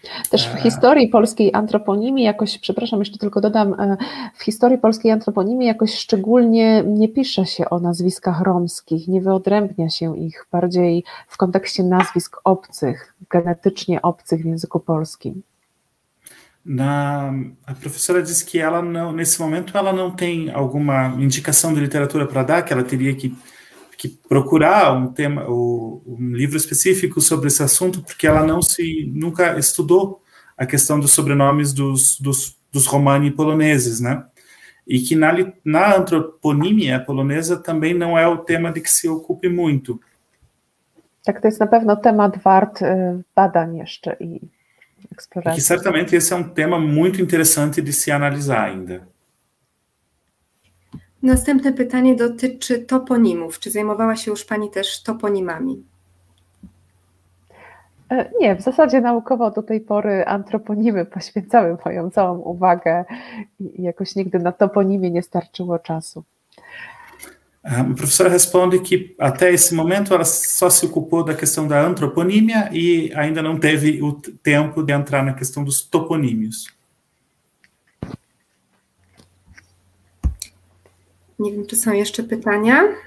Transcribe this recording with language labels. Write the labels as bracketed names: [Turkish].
[Polish] Też w historii polskiej antroponimii jakoś, przepraszam, jeszcze tylko dodam, w historii polskiej antroponimii jakoś szczególnie nie pisze się o nazwiskach romskich, nie wyodrębnia się ich, bardziej w kontekście nazwisk obcych, genetycznie obcych w języku polskim. [Portuguese] A professora disse que ela não, nesse momento ela não tem alguma indicação de literatura para dar, que ela teria que procurar um tema, um livro específico sobre esse assunto, porque ela nunca estudou a questão dos sobrenomes dos romani poloneses, né? E que na antroponímia polonesa também não é o tema de que se ocupe muito. [Polish] Tak, to jest na pewno temat wart badań jeszcze i [Portuguese] exploração. Que certamente esse é um tema muito interessante de se analisar ainda. [Polish] Następne pytanie dotyczy toponimów. Czy zajmowała się już pani też toponimami? Nie, w zasadzie naukowo do tej pory antroponimy poświęcały moją całą uwagę i jakoś nigdy na toponimie nie starczyło czasu. [Portuguese] Professora responde que até esse momento ela só se ocupou da questão da antroponímia e ainda não teve o tempo de entrar na questão dos toponímios. [Polish] Nie wiem, czy są jeszcze pytania.